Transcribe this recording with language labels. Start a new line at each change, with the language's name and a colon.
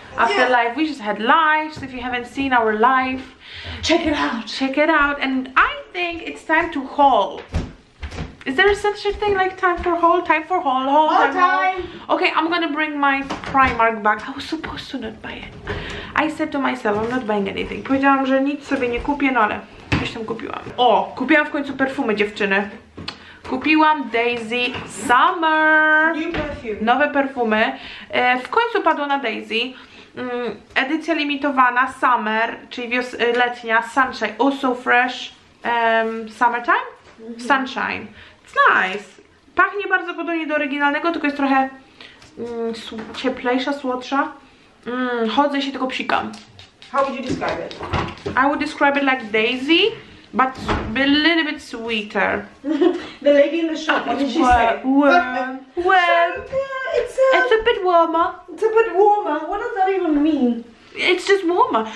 English: After life, we just had lives. If you haven't seen our life, check it out. Check it out. And I think it's time to haul. Is there such a thing like time for haul? Time for haul. Haul time. Okay, I'm gonna bring my Primark back. I was supposed to not buy it. I said to myself, I'm not buying anything.
Polish: Powiedziałam, że nic sobie nie kupię, no ale coś tam kupiłam. O, kupiłam w końcu perfumy, dziewczyny. Kupiłam Daisy Summer.
English: New perfume.
Polish: Nowe perfumy. W końcu padło na Daisy. Edycja limitowana Summer, czyli letnia, Sunshine.
English: Oh, so fresh. Summertime? Sunshine. It's nice.
Polish: Pachnie bardzo podobnie do oryginalnego, tylko jest trochę cieplejsza, słodsza. Chodzę się tylko psikam.
English: How would you describe it? I would describe it like Daisy, but a little bit sweeter. The lady in the shop, what did she say? It's a bit warmer. It's a bit warmer. What does that even mean? It's just warmer.